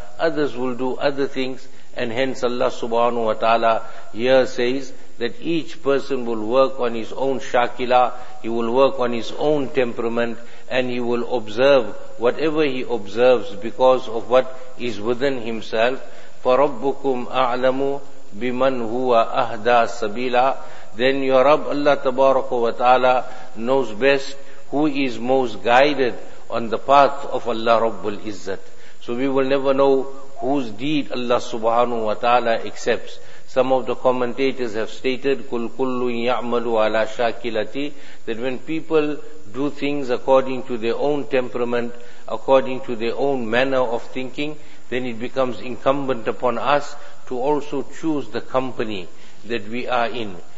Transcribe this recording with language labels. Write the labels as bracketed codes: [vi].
[en] Others will do other things, and hence Allah Subhanahu wa Ta'ala here says that each person will work on his own shakila, he will work on his own temperament, and he will observe whatever he observes because of what is within himself. [ar] فَرَبُّكُمْ أَعْلَمُ بِمَنْ هُوَ أَهْدَى سَبِيلًا. [en] Then your Rabb Allah Tabaraka wa Ta'ala knows best who is most guided on the path of Allah Rabbul Izzat. So we will never know whose deed Allah Subhanahu wa Ta'ala accepts. Some of the commentators have stated, [ar] "Kul kullu ya'malu ala shakilati," [en] that when people do things according to their own temperament, according to their own manner of thinking, then it becomes incumbent upon us to also choose the company that we are in.